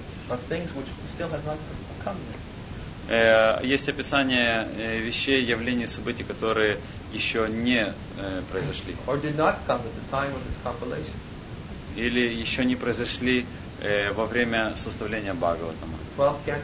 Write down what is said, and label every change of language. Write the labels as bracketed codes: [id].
[en] Of things which still have not come yet. [ru] Есть описание вещей, явлений, событий, которые еще не произошли. [en] Or did not come at the time of its compilation. [ru] Или еще не произошли во время составления Бхагаватама.